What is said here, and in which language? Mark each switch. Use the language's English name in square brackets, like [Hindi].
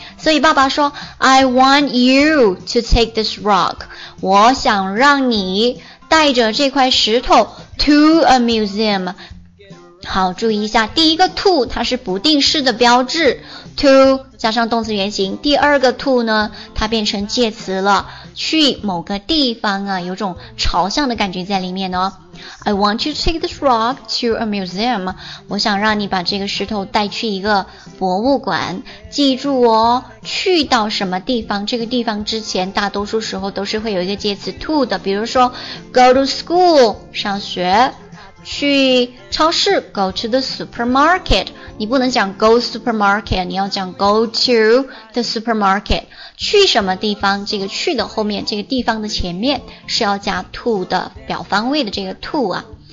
[Chinese] 所以爸爸说 [English] I want you to take this rock, [Chinese] 我想让你带着这块石头 [English] to a museum。 [Chinese] 好，注意一下，第一个 to 它是不定式的标志， to 加上动词原形，第二个 to 呢它变成介词了，去某个地方啊，有种朝向的感觉在里面哦。 [English] I want you to take this rock to a museum. [Chinese] 我想让你把这个石头带去一个博物馆。记住哦，去到什么地方，这个地方之前大多数时候都是会有一个介词 to 的，比如说 [English] go to school, [Chinese] 上学，去超市 [English] go to the supermarket, [Chinese] 你不能讲 [English] go supermarket, [Chinese] 你要讲 go to the supermarket, 去什么地方，这个去的后面，这个地方的前面是要加 to 的表方位的这个 to 啊。